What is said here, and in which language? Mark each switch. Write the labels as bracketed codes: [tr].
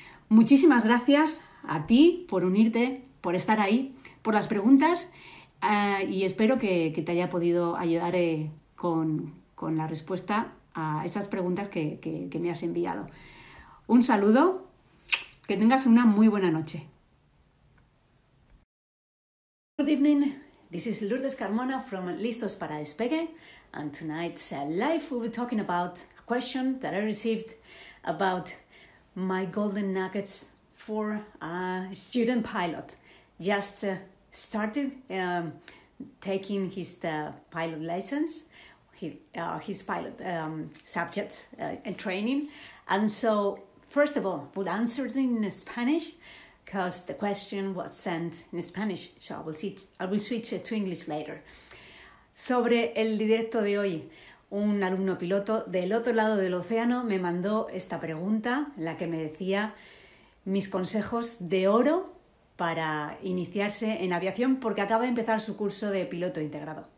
[es] Muchísimas gracias a ti por unirte, por estar ahí, por las preguntas, y espero que te haya podido ayudar con la respuesta a esas preguntas que me has enviado. Un saludo, que tengas una muy buena noche. [en] Good evening, this is Lourdes Carmona from Listos para Despegue, and tonight's live we'll be talking about a question that I received about my golden nuggets for a student pilot. Just started taking his pilot license, his pilot subjects and training. And so, first of all, we'll answer it in Spanish, because the question was sent in Spanish, so I will switch to English later. [es] Sobre el directo de hoy, un alumno piloto del otro lado del océano me mandó esta pregunta, la que me decía mis consejos de oro para iniciarse en aviación, porque acaba de empezar su curso de piloto integrado.